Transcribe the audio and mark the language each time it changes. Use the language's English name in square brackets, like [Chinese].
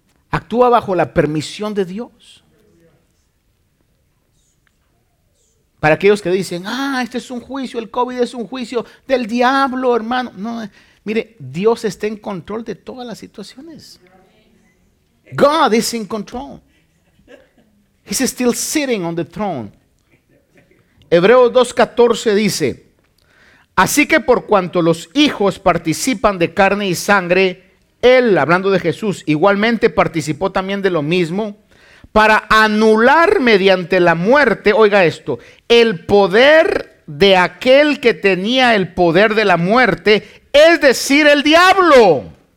[Spanish] Actúa bajo la permisión de Dios. Para aquellos que dicen, ah, este es un juicio, el COVID es un juicio del diablo, hermano. No, mire, Dios está en control de todas las situaciones. [English] God is in control. He's still sitting on the throne. [Spanish] Hebreos 2:14 dice, así que por cuanto los hijos participan de carne y sangre, Él, hablando de Jesús, igualmente participó también de lo mismo, para anular mediante la muerte, oiga esto, el poder de aquel que tenía el poder de la muerte, es decir, el diablo.